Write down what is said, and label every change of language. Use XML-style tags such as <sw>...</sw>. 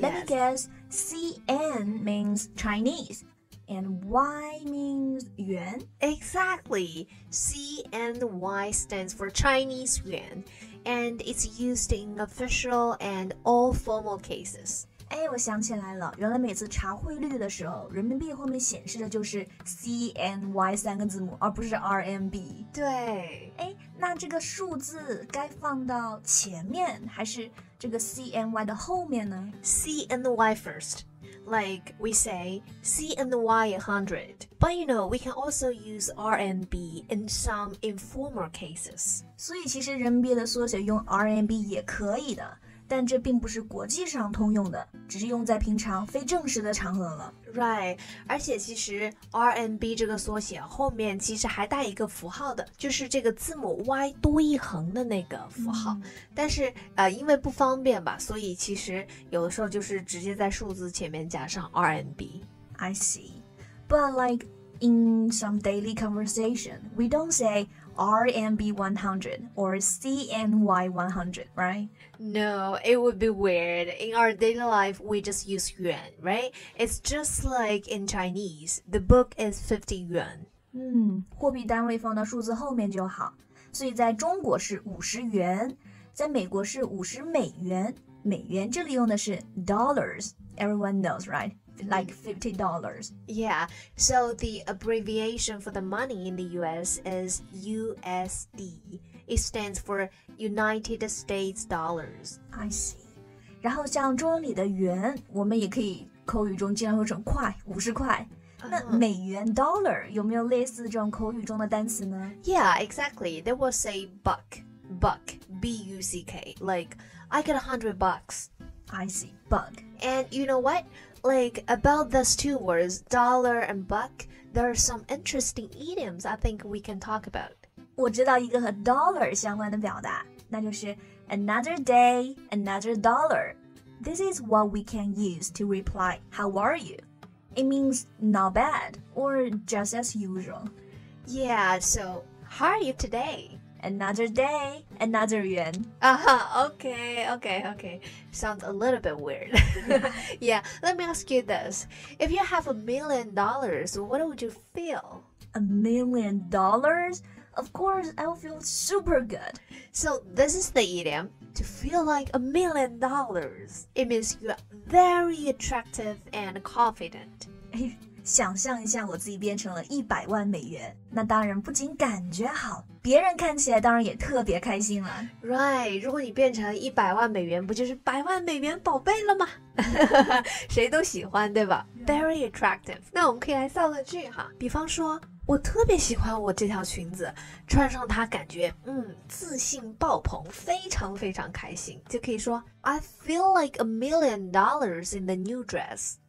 <en>me guess, CN means Chinese, and Y means yuan. Exactly, CNY stands for Chinese yuan. And it's used in official and all formal cases.</en> <zh>哎，我想起来了，原来每次查汇率的时候，人民币后面显示的就是 CNY 三个字母，而不是 RMB。对。哎，那这个数字该放到前面，还是这个 CNY 的后面呢？</zh> <en>CNY first. Like we say, CNY 100. But you know, we can also use RMB in some informal cases.</en> <zh>所以其实人民币的缩写用 RMB 也可以的，但这并不是国际上通用的，只是用在平常非正式的场合了。 Right, 而且其实 RMB 这个缩写后面其实还带一个符号的，就是这个字母 Y 多一横的那个符号。但是因为不方便吧，所以其实有的时候就是直接在数字前面加上 RMB.</zh> <en>I see. But like in some daily conversation, we don't say RMB 100 or CNY 100, right? No, it would be weird. In our daily life, we just use yuan, right? It's just like in Chinese, the book is 50 yuan.</en> <zh>货币单位放到数字后面就好。所以在中国是50元，在美国是50美元。美元这里用的是</zh> <en>dollars, everyone knows, right? Like $50. Yeah, so the abbreviation for the money in the US is USD. It stands for United States Dollars. I see.</en> <zh>然后像中文里的元，我们也可以口语中经常说成块，50块。那美元 dollar 有没有类似这种口语中的单词呢？</zh> <en>Yeah, exactly. They will say buck, buck, B-U-C-K. Like, I get $100. I see, buck. And you know what? Like, about those two words, dollar and buck, there are some interesting idioms I think we can talk about.</en> <zh>我知道一个和 dollar 相关的表达，那就是</zh> <en>another day, another dollar. This is what we can use to reply, how are you? It means not bad, or just as usual. Yeah, so how are you today? Another day, another yuan. Uh-huh, okay, okay, okay. Sounds a little bit weird. Yeah, let me ask you this. If you have $1,000,000, what would you feel? $1,000,000? Of course, I would feel super good. So this is the idiom. To feel like $1,000,000. It means you are very attractive and confident.</en> <zh>想象一下我自己变成了$1,000,000，那当然不仅感觉好，别人看起来当然也特别开心了。 Right, 如果你变成$1,000,000，不就是$1,000,000宝贝了吗？谁都喜欢，对吧？</zh> <en>Very attractive.</en> <zh>那我们可以来造个句哈，比方说，我特别喜欢我这条裙子，穿上它感觉自信爆棚，非常非常开心，就可以说</zh> <en>I feel like $1,000,000 in the new dress.</en>